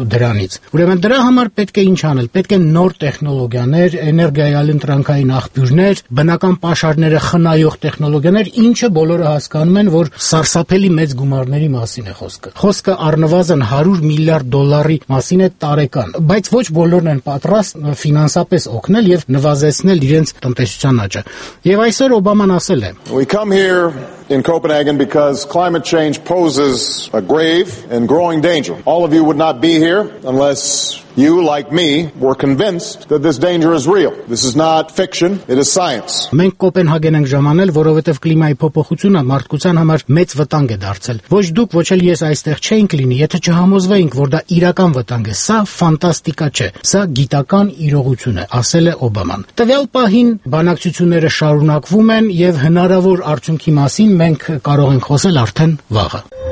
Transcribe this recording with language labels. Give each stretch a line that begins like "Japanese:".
Armenian: դրանից։ Ուրեմն դրա համար պետք է ինչ անել։ Պետք է նոր տեխնոլոգիաներ, էներգիայի ալենտրանքային աղբյուրներ, բնական պաշարները խնայող տեխնոլոգիաներ, ինչը բոլորը հասկանում են, որ սարսափելի մեծ գումարների մասին է խոսքը։ Խոսքը առնվազն 100 միլիարդ դոլարի մասին է տարեկան, բայց ոչ բոլորն են պատրաստ ֆինանսապես օգնել եւ նվազեցնել իրենց տնտեսության աճը։ Եվ այսօր Օբաման ասել է.
English: We come here in Copenhagen because climate change poses a grave and growing danger. All of you would not be here unless you, like me, were convinced that this danger is real. This is not fiction, it is science.
Armenian: Մենք Կոպենհագեն ենք ժամանել, որովհետև կլիմայի փոփոխությունը մարդկության համար մեծ վտանգ է դարձել։ Ոչ դուք, ոչ էլ ես այստեղ չենք լինի, եթե չհամոզվենք, որ դա իրական վտանգ է։ Սա ֆանտաստիկա չէ, սա գիտական իրողություն է, ասել է Օբաման։ Տվյալ պահին բանակցությունները շարունակվում են եւ հնարավոր արդյունքի մասին մենք կարող ենք խոսել արդեն վաղը։